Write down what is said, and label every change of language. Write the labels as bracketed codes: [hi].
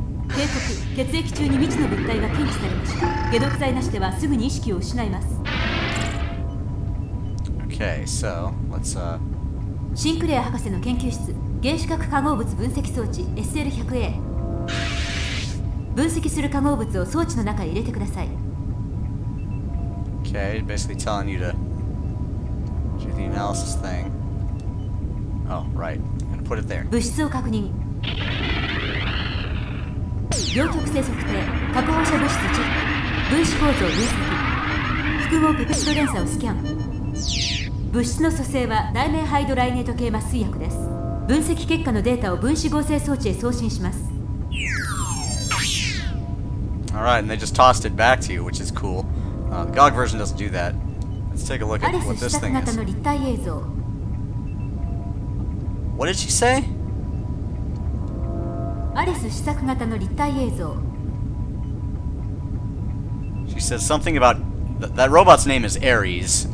[en] Okay, so let's, [ja] シンクレア博士の研究室、原子核化合物分析装置 SL100A。分析する化合物を装置の中へ入れてください。 [en] OK, basically telling you to do the analysis thing. Oh, right, I'm gonna put it there. [ja] 物質を確認。両極性測定、核放射物質チェック、分子構造分析、複合ペプチド連鎖をスキャン。物質の組成は内面ハイドライネート系麻酔薬です。分析結果のデータを分子合成装置へ送信します。 [en] Alright, and they just tossed it back to you, which is cool. The GOG version doesn't do that. Let's take a look at what this thing is. [ja] アレス視察型の立体映像。 [en] What did she say? [ja] アレス視察型の立体映像。 [en] She said something about that robot's name is Ares.